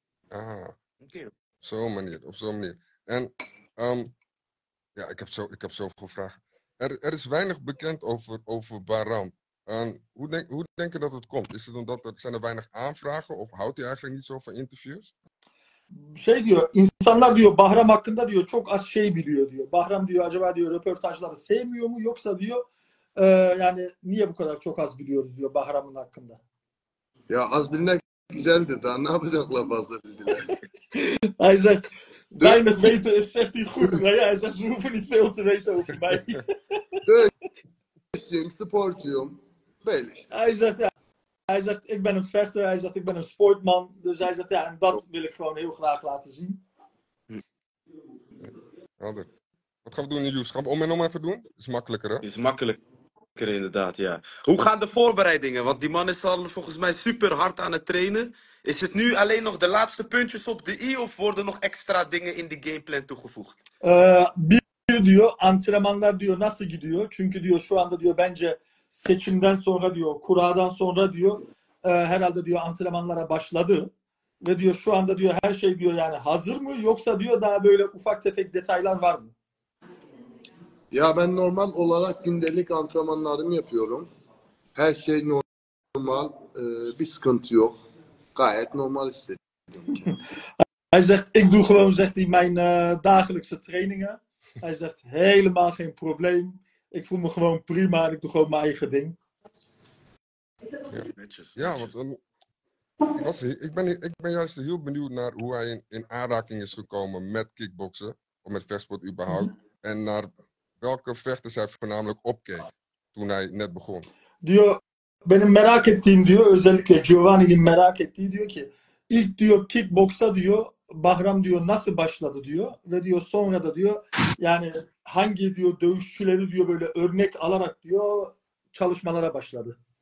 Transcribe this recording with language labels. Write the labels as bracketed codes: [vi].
[nl] Ah, Okay. op zo'n manier, op zo'n manier. En ja, ik heb zoveel vragen. Er is weinig bekend over Bahram. En hoe denk je dat het komt? Is het omdat er zijn er weinig aanvragen of houdt hij eigenlijk niet zo van interviews? [tr] Şey diyor, insanlar diyor Bahram hakkında diyor çok az şey biliyor diyor. Bahram diyor acaba diyor röportajları sevmiyor mu yoksa diyor yani niye bu kadar çok az biliyoruz diyor Bahram'ın hakkında. Ya az bilmek güzeldi daha ne yapacaklar fazla bildiler. [nl] Hij zegt, weinig weten is zegt hij goed. Maar ja, hij zegt, ze hoeven niet veel te weten over mij. [tr] Dövüşçüyüm, sporcuyum. Böyle işte. [nl] Hij zegt, ja. Hij zegt, ik ben een vechter. Hij zegt, ik ben een sportman. Dus hij zegt, ja, en dat wil ik gewoon heel graag laten zien. Helder. Wat gaan we doen, Joes? Gaan we om en om even doen? Is makkelijker, hè? Is makkelijker, inderdaad, ja. Hoe gaan de voorbereidingen? Want die man is al volgens mij super hard aan het trainen. Is het nu alleen nog de laatste puntjes op de i of worden nog extra dingen in de gameplan toegevoegd? [tr] Bir diyor, antrenmanlar diyor nasıl gidiyor? Çünkü diyor şu anda diyor bence seçimden sonra diyor, kura'dan sonra diyor herhalde diyor antrenmanlara başladı. Ve diyor şu anda diyor her şey diyor yani hazır mı yoksa diyor daha böyle ufak tefek detaylar var mı? Ya ben normal olarak gündelik antrenmanlarımı yapıyorum. Her şey normal, bir sıkıntı yok. Gayet normal istedim. [nl] Hij zegt, ik doe gewoon, zegt hij, mijn dagelijkse trainingen. Hij zegt, helemaal geen probleem. Ik voel me gewoon prima en ik doe gewoon mijn eigen ding. Ja, want ik ben juist heel benieuwd naar hoe hij in aanraking is gekomen met kickboksen. Of met vechtsport überhaupt. Mm-hmm. En naar welke vechters hij voornamelijk opkeek toen hij net begon. [tr] Diyor, benim merak ettiğim diyor, özellikle Giovanni'nin merak ettiği diyor ki, ilk diyor kickboksa diyor, Bahram diyor nasıl başladı diyor ve diyor sonra da diyor yani hangi diyor dövüşçüleri diyor böyle örnek alarak diyor çalışmalara başladı.